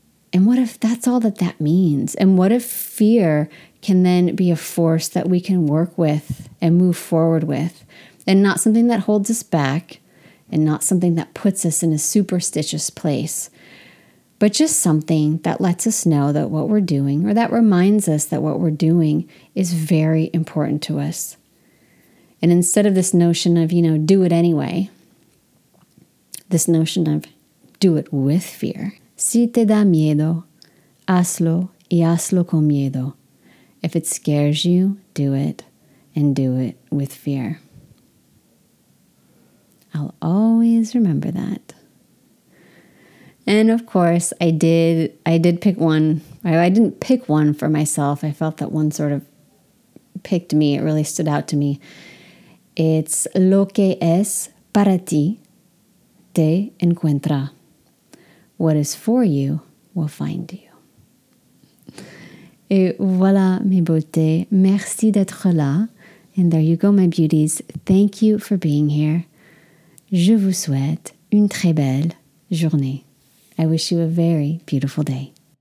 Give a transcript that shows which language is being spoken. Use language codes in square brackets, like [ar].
[en] And what if that's all that that means? And what if fear can then be a force that we can work with and move forward with, and not something that holds us back and not something that puts us in a superstitious place, but just something that lets us know that what we're doing, or that reminds us that what we're doing, is very important to us. And instead of this notion of, you know, do it anyway, this notion of do it with fear. [es] Si te da miedo, hazlo y hazlo con miedo. [en] If it scares you, do it, and do it with fear. I'll always remember that. And of course, I did pick one. I didn't pick one for myself. I felt that one sort of picked me. It really stood out to me. [es] It's lo que es para ti, te encuentra. [en] What is for you will find you. [fr] Et voilà, mes beautés. Merci d'être là. [en] And there you go, my beauties. Thank you for being here. [fr] Je vous souhaite une très belle journée. [en] I wish you a very beautiful day.